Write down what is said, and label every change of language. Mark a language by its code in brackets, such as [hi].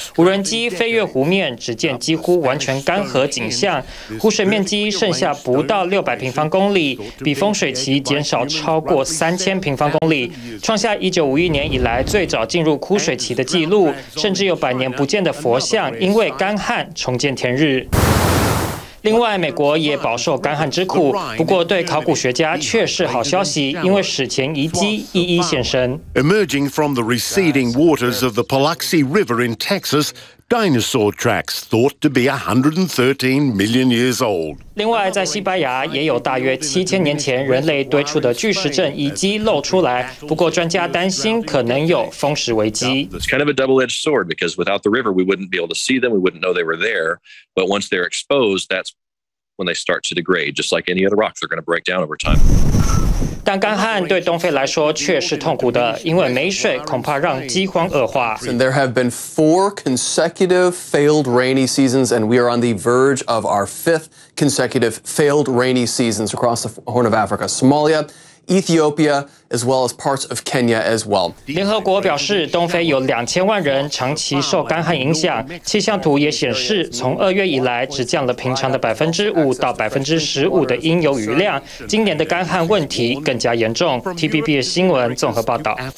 [zh] 无人机飞越湖面，只见几乎完全干涸景象，湖水面积剩下不到600平方公里，比丰水期减少超过3000平方公里，创下1951年以来最早进入枯水期的记录。甚至有百年不见的佛像，因为干旱重见天日。另外，美国也饱受干旱之苦，不过对考古学家却是好消息，因为史前遗迹一一现身。 [en] Emerging from the receding waters of the Paluxy River in Texas, dinosaur tracks thought to be 113 million years old. [zh] 另外，在西班牙也有大约7000年前人类堆出的巨石阵遗迹露出来，不过专家担心可能有风蚀危机。 [en] It's kind of a double-edged sword because without the river, we wouldn't be able to see them, we wouldn't know they were there. But once they're exposed, that's when they start to degrade, just like any other rock, they're going to break down over time. [zh] 但干旱对东非来说却是痛苦的，因为没水恐怕让饥荒恶化。 [en] And there have been 4 consecutive failed rainy seasons, and we are on the verge of our 5th consecutive failed rainy seasons across the Horn of Africa, Somalia. Ethiopia, as well as parts of Kenya as well. [zh] 联合国表示，东非有2000万人长期受干旱影响。气象图也显示，从2月以来，只降了平常的5%到15%的应有雨量。今年的干旱问题更加严重。 TBB 新闻综合报道。